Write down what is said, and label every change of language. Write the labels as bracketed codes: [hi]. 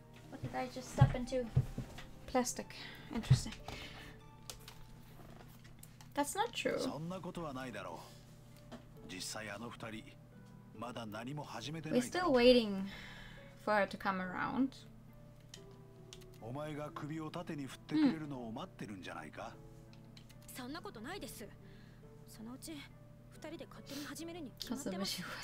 [en] What did I just step into? Plastic. Interesting. That's not true. [ja] そんなことはないだろう。実際あの二人まだ何も始めてないだろう。 [en] We're still waiting for her to come around. [ja] お前が首を縦に振ってくれるのを待ってるんじゃないか。そんなことないです。そのうち二人で勝手に始めるに決まってます。